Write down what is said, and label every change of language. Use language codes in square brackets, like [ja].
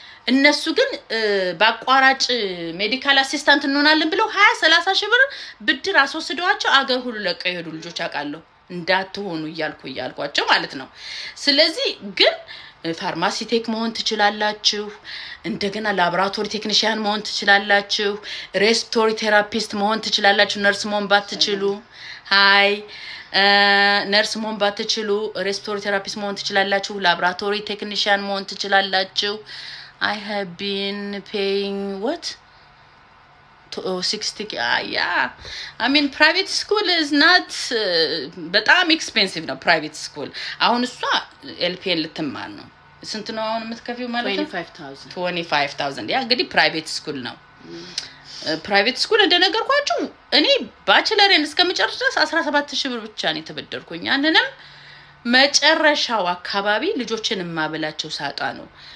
[am] እነሱ ግን በአቋራጭ ሜዲካል አሲስታንት እንሆናለን ብለው 20 30 ሺህ ብር ብድር አስወስደዋቸው አገር ሁሉ ለቀው ሄዱ ልጆች አቃለሁ እንዳትሆኑ ይያልኳቸው ማለት ነው ስለዚህ ግን ፋርማሲ ቴክ መሆን ትችላላችሁ እንደገና ላብራቶሪ ቴክኒሽያን መሆን ትችላላችሁ ሬስቶሪ ቴራፒስት መሆን ትችላላችሁ ነርስ መሆን ባትችሉ ሃይ ነርስ መሆን ባትችሉ ሬስቶሪ ቴራፒስት መሆን ትችላላችሁ ላብራቶሪ ቴክኒሽያን መሆን ትችላላችሁ [en] I have been paying what? 60k. Yeah. I mean private school is not [am] በጣም [en] expensive [am] ነው [en] private school. [am] አሁን እሷ LPN ልትማር ነው. ስንት ነው አሁን የምትከፍዩ ማለት? 25,000. ያ እንግዲህ private school ነው. private school እንደነገርኳችሁ እኔ bachelor-ን እስከመጨረስ 17,000 ብር ብቻ ነው የተበደርኩኝ. አንንም መጨረሻው አካባቢ ልጆችን ማበላቸው ሳጣ ነው.